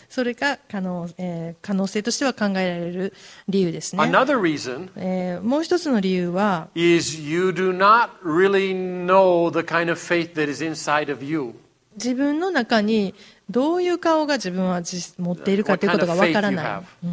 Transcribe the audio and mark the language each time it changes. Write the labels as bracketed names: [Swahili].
[Japanese] それが可能性としては考えられる理由ですね。 [English] Another reason, [Japanese] もう一つの理由は、 [English] is you do not really know the kind of faith that is inside of you. [Japanese] 自分の中にどういう顔が自分は持っているかということがわからない。